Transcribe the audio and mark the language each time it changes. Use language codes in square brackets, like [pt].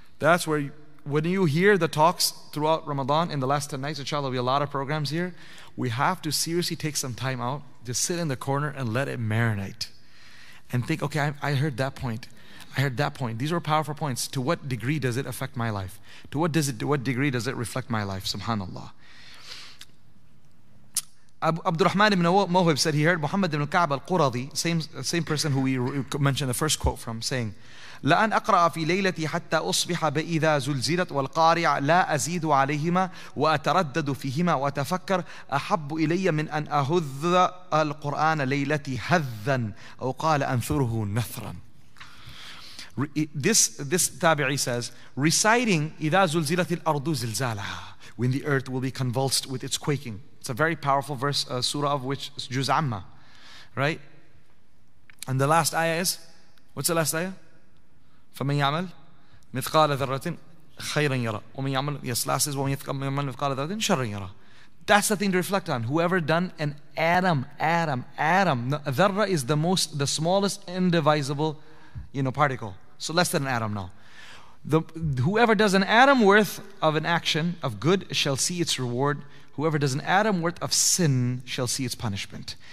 [en] That's where, when you hear the talks throughout Ramadan in the last 10 nights, inshallah, there'll be a lot of programs here. We have to seriously take some time out to sit in the corner and let it marinate. And think, okay, I heard that point. I heard that point. These were powerful points. To what degree does it affect my life? To what degree does it reflect my life? Subhanallah. Abdurrahman ibn Mohib said he heard Muhammad ibn Ka'b al-Quradi, same person who we mentioned the first quote from, saying, [ar] لَأَنْ أَقْرَأَ فِي لَيْلَتِي حَتَّى أُصْبِحَ بَإِذَا زُلْزِلَتْ وَالْقَارِعَ لَا أَزِيدُ عَلَيْهِمَا وَأَتَرَدَّدُ فِيهِمَا وَأَتَفَكَّرْ أَحَبُّ إِلَيَّ مِنْ أَنْ أَهُذَّ الْقُرْآنَ لَيْلَتِي هَذًّا أَوْ قَالَ أَنْثُرُهُ نَثْرًا. [en] This tabi'i says, reciting [ar] إِذَا زُلْزِلَتِ الْأَرْضُ زِلْزَالَهَا, [en] when the earth will be convulsed with its quaking. It's a very powerful verse, surah of which is Juz Amma, right? And the last ayah is, what's the last ayah? [ar] فَمَنْ يَعْمَلْ مِثْقَالَ ذَرَّةٍ خَيْرًا يَرَى وَمَنْ يَعْمَلْ, [en] yes, last is, [ar] وَمَنْ يَعْمَلْ مِثْقَالَ ذَرَّةٍ شَرًّا يَرَى. [en] That's the thing to reflect on. Whoever done an atom, dharra is the smallest indivisible, particle. So less than an atom now. Whoever does an atom worth of an action of good shall see its reward. Whoever does an atom worth of sin shall see its punishment.